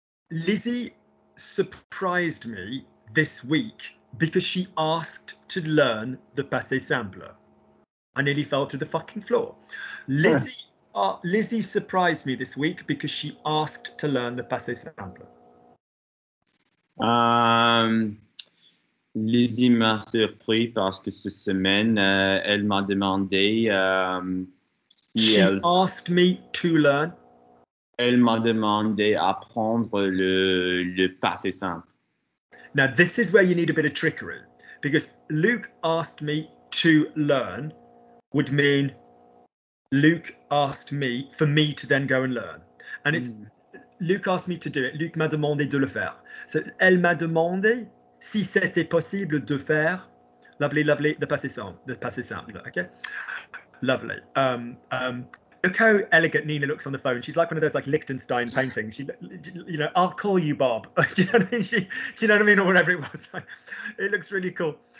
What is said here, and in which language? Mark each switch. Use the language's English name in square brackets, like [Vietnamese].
[English] Lizzie surprised me this week because she asked to learn the passé simple. I nearly fell through the fucking floor. Lizzie surprised me this week because she asked to learn the passé simple. [French] Lizzie m'a surpris parce que cette semaine, elle m'a demandé si [English] she [French] elle... [English] She asked me to learn. [French] Elle m'a demandé apprendre le passé simple. [English] Now, this is where you need a bit of trickery. Because Luke asked me to learn would mean... Luke asked me for me to then go and learn. And it's Luke asked me to do it. [French] Luke m'a demandé de le faire. So elle m'a demandé si c'était possible de faire. [English] Lovely, the passé simple. Okay. Lovely. Look how elegant Nina looks on the phone. She's like one of those like Liechtenstein paintings. She, you know, I'll call you Bob. Do you know what I mean? Do you know what I mean? Or whatever it was. It looks really cool.